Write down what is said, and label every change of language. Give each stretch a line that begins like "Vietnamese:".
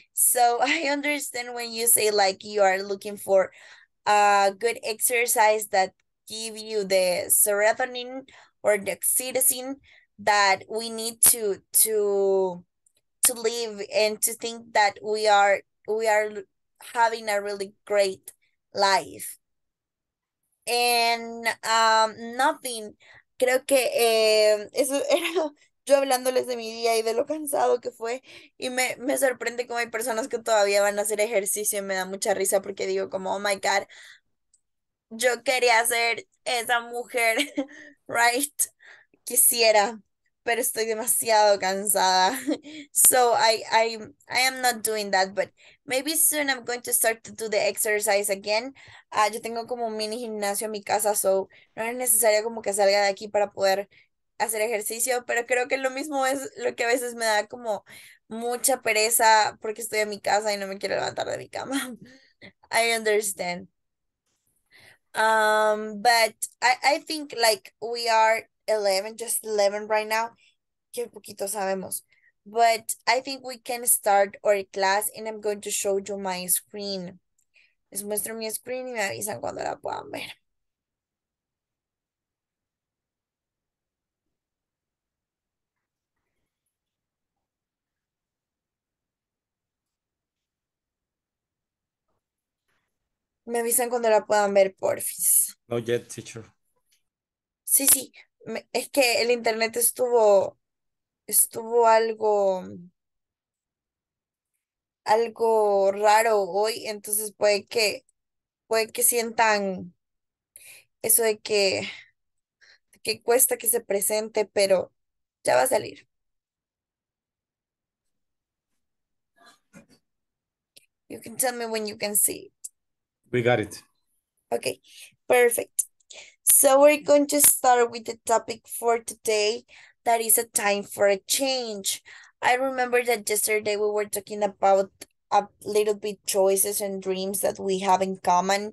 English: So I understand when you say like you are looking for a good exercise that give you the serotonin or the oxytocin that we need to live and to think that we are having a really great life.
Spanish: And nothing, creo que eso era yo hablándoles de mi día y de lo cansado que fue, y me sorprende cómo hay personas que todavía van a hacer ejercicio y me da mucha risa porque digo como,
English: oh my God,
Spanish: yo quería ser esa mujer, right? Quisiera, pero estoy demasiado cansada.
English: So I am not doing that, but maybe soon I'm going to start to do the exercise again.
Spanish: Yo tengo como un mini gimnasio en mi casa, so no es necesario como que salga de aquí para poder hacer ejercicio, pero creo que lo mismo es lo que a veces me da como mucha pereza porque estoy en mi casa y no me quiero levantar de mi cama.
English: I understand. But I think like we are 11, just 11 right now,
Spanish: que poquito sabemos,
English: but I think we can start our class, and I'm going to show you my screen.
Spanish: Les muestro mi screen y me avisan cuando la puedan ver. Me avisan cuando la puedan ver, porfis.
English: No yet, teacher.
Spanish: Sí, sí. Es que el internet estuvo algo raro hoy, entonces puede que sientan eso de que cuesta que se presente, pero ya va a salir.
English: You can tell me when you can see it. We got it. Okay, perfect. So we're going to start with the topic for today. That is a time for a change. I remember that yesterday we were talking about a little bit choices and dreams that we have in common.